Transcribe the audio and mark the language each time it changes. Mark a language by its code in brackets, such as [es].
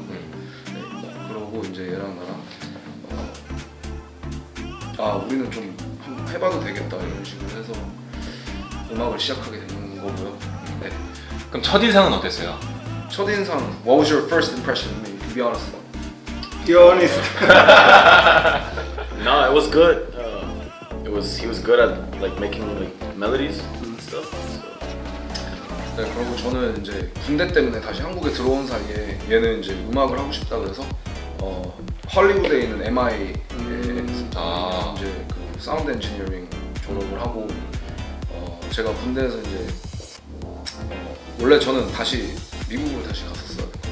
[ko] 네, 그러고 이제 얘랑 나랑 아 우리는 좀 해봐도 되겠다 이런 식으로 해서 음악을 시작하게 된 거고요. 네. 그럼 첫 인상은 어땠어요? 첫 인상 [en] What was your first impression of me? To be honest. Be honest. No, it was good. He was good at like making like melodies and stuff. So. [ko] 네, 그리고 저는 이제 군대 때문에 다시 한국에 들어온 사이에 얘는 이제 음악을 하고 싶다 그래서 할리우드에 있는 MI에 아. 이제 그 사운드 엔지니어링 졸업을 하고 제가 군대에서 이제 원래 저는 다시 미국으로 다시 갔었어요.